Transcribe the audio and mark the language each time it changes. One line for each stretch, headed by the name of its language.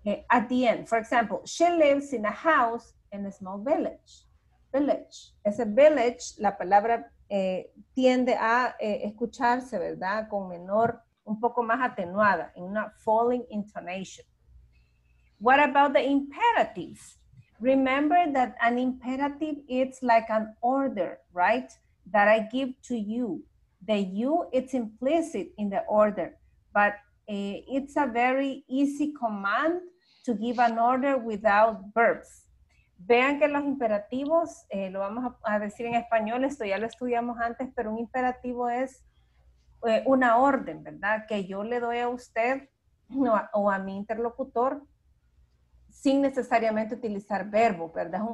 English: At the end, for example, she lives in a house in a small village. Village.
Spanish: Ese village, la palabra tiende a escucharse, ¿verdad? Con menor, un poco más atenuada, en una falling intonation.
English: What about the imperatives? Remember that an imperative, it's like an order, right? That I give to you. The you, it's implicit in the order, but it's a very easy command to give an order without verbs.
Spanish: Vean que los imperativos, lo vamos a decir en español, esto ya lo estudiamos antes, pero un imperativo es una orden, ¿verdad? Que yo le doy a usted o a mi interlocutor sin necesariamente utilizar verbo, ¿verdad?